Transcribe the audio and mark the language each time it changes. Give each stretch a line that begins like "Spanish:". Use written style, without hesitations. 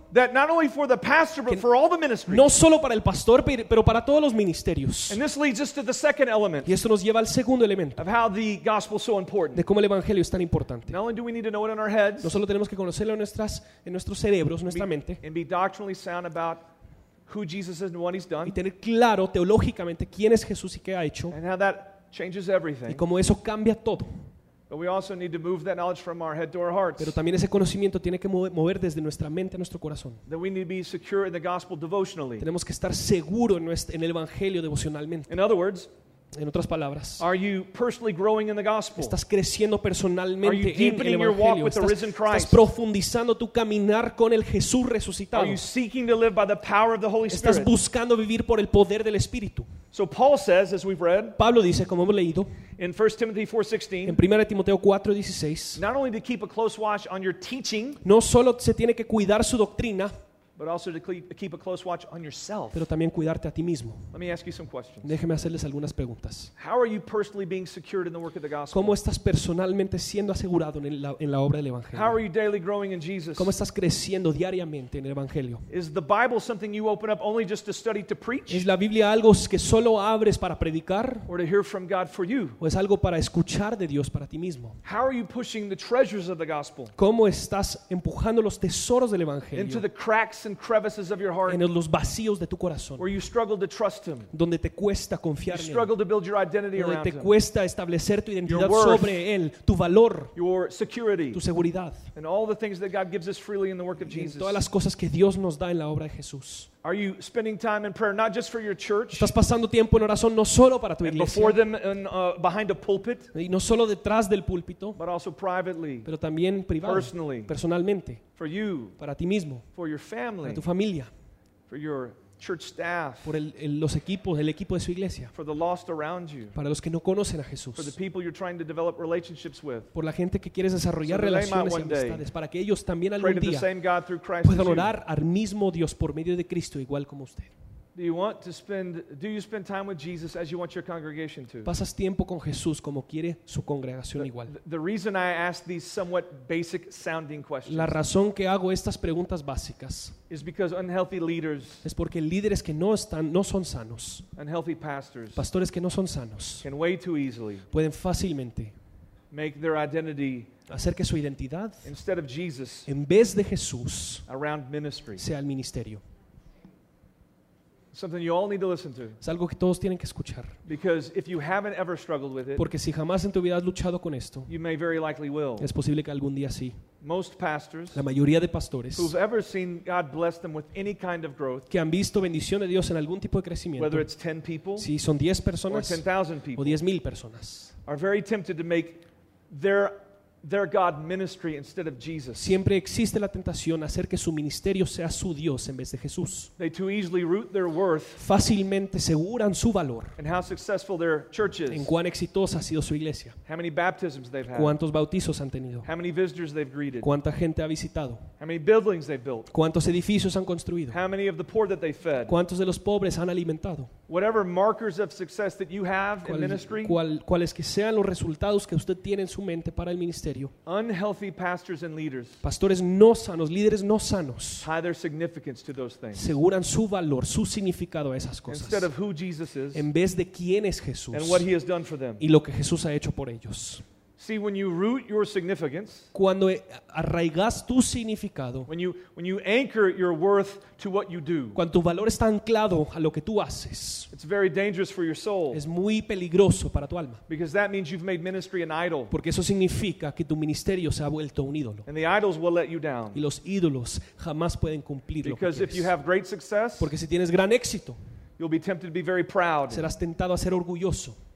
English: That not only for the pastor, but for all the ministries.
Spanish: No solo para el pastor, pero para todos los ministerios.
English: And this leads us to the second element.
Spanish: Y esto nos lleva al segundo elemento.
English: Of how the gospel is so important.
Spanish: De cómo el evangelio es tan importante.
English: Not only do we need to know it in our heads.
Spanish: No solo tenemos que conocerlo en nuestros cerebros, nuestra mente.
English: And be doctrinally sound about who Jesus is and what he's done.
Spanish: Y tener claro teológicamente quién es Jesús y qué ha hecho.
English: And how that changes everything.
Spanish: Y cómo eso cambia todo.
English: But we also need to move that knowledge from our head to our hearts.
Spanish: Pero también ese conocimiento tiene que mover desde nuestra mente a nuestro corazón.
English: That we need to be secure in the gospel devotionally.
Spanish: Tenemos que estar seguro en el evangelio devocionalmente.
English: In other words,
Spanish: en otras palabras,
English: are you personally growing in the gospel?
Spanish: ¿Estás creciendo personalmente en el evangelio?
English: Are you deepening your walk with the risen Christ?
Spanish: ¿Estás profundizando tu caminar con el Jesús resucitado?
English: Are you seeking to live by the power of the Holy Spirit?
Spanish: ¿Estás buscando vivir por el poder del Espíritu?
English: So Paul says, as we've read,
Spanish: Pablo dice, como hemos leído,
English: in 1 Timothy 4:16,
Spanish: en 1 Timoteo 4:16,
English: not only to keep a close watch on your teaching,
Spanish: no solo se tiene que cuidar su doctrina,
English: but also to keep a close watch on yourself.
Spanish: Pero también cuidarte a ti mismo.
English: Let me ask you some questions.
Spanish: Déjeme hacerles algunas preguntas.
English: How are you personally being secured in the work of the gospel?
Spanish: ¿Cómo estás personalmente siendo asegurado en la obra del evangelio?
English: How are you daily growing in Jesus?
Spanish: ¿Cómo estás creciendo diariamente en el evangelio?
English: Is the Bible something you open up only just to study to preach?
Spanish: ¿Es la Biblia algo que solo abres para predicar?
English: Or to hear from God for you?
Spanish: ¿O es algo para escuchar de Dios para ti mismo?
English: How are you pushing the treasures of the gospel?
Spanish: ¿Cómo estás empujando los tesoros del evangelio?
English: Into the cracks and crevices of your heart,
Spanish: en los vacíos de tu corazón,
English: where you struggle to trust him,
Spanish: donde te cuesta confiar,
English: you struggle
Spanish: en él,
English: to build your identity
Spanish: donde
English: around
Spanish: te cuesta
English: him,
Spanish: establecer tu identidad sobre
English: worth,
Spanish: él, tu valor,
English: your security,
Spanish: tu seguridad,
English: and all the things that God gives us freely in the work of Jesus,
Spanish: todas las cosas que Dios nos da en la obra de Jesús.
English: Are you spending time in prayer, not just for your church?
Spanish: ¿Estás pasando tiempo en oración no solo para tu iglesia?
English: And before them in, behind a pulpit,
Spanish: y no solo detrás del púlpito,
English: but also privately,
Spanish: pero también privado,
English: personally,
Spanish: personalmente,
English: for you,
Spanish: para ti mismo,
English: for your family,
Spanish: para tu familia,
English: for your church staff,
Spanish: por los equipos, el equipo de su iglesia,
English: for the lost around you,
Spanish: para los que no conocen a Jesús,
English: for the people you're trying to develop relationships with,
Spanish: por la gente que quieres desarrollar
English: so
Spanish: relaciones y amistades, para que ellos también algún día puedan orar al mismo Dios por medio de Cristo, igual como usted.
English: Do you spend time with Jesus as you want your congregation to?
Spanish: ¿Pasas tiempo con Jesús como quiere su congregación igual?
English: The reason I ask these somewhat basic sounding questions.
Spanish: La razón que hago estas preguntas básicas.
English: Is because unhealthy leaders.
Spanish: Es porque líderes que no son sanos.
English: Unhealthy pastors.
Spanish: Pastores que no son sanos.
English: Can way too easily.
Spanish: Pueden fácilmente.
English: Make their identity.
Spanish: Hacer que su identidad.
English: Instead of Jesus.
Spanish: En vez de Jesús.
English: Around ministry.
Spanish: Sea el ministerio.
English: Something you all need to listen to.
Spanish: Es algo que todos tienen que escuchar.
English: Because if you haven't ever struggled with it,
Spanish: porque si jamás en tu vida has luchado con esto,
English: you may very likely will.
Spanish: Es posible que algún día sí.
English: Most pastors,
Spanish: la mayoría de pastores,
English: who've ever seen God bless them with any kind of growth,
Spanish: que han visto bendición de Dios en algún tipo de crecimiento,
English: whether it's 10 people,
Spanish: si son 10 personas,
English: or 10,000 people,
Spanish: o 10,000 personas,
English: are very tempted to make their God ministry instead of Jesus.
Spanish: Siempre existe la tentación a hacer que su ministerio sea su Dios en vez de Jesús.
English: They too easily root their worth.
Spanish: Fácilmente aseguran su valor.
English: And how successful their churches.
Spanish: En cuán exitosa ha sido su iglesia.
English: How many baptisms they've had.
Spanish: Cuántos bautizos han tenido.
English: How many visitors they've greeted.
Spanish: Cuánta gente ha visitado.
English: How many buildings they've built.
Spanish: Cuántos edificios han construido.
English: How many of the poor that they fed.
Spanish: Cuántos de los pobres han alimentado.
English: Whatever markers of success that you have in ministry.
Spanish: Cuáles que sean los resultados que usted tiene en su mente para el ministerio.
English: Unhealthy pastors and leaders.
Spanish: Pastores no sanos, líderes no sanos.
English: Tie their significance to those things.
Spanish: Aseguran su valor, su significado a esas cosas.
English: Instead of who Jesus is.
Spanish: En vez de quién es Jesús.
English: And what he has done for them.
Spanish: Y lo que Jesús ha hecho por ellos.
English: See, when you root your significance,
Spanish: cuando arraigas tu significado,
English: when you anchor your worth to what you do,
Spanish: cuando tu valor está anclado a lo que tú haces,
English: it's very dangerous for your soul,
Spanish: es muy peligroso para tu alma,
English: because that means you've made ministry an idol,
Spanish: porque eso significa que tu ministerio se ha vuelto un ídolo,
English: and the idols will let you down,
Spanish: y los ídolos jamás pueden cumplir
English: because
Spanish: lo que quieres,
English: if you have great success,
Spanish: porque si tienes gran éxito,
English: you'll be tempted to be very proud,
Spanish: serás tentado a ser orgulloso.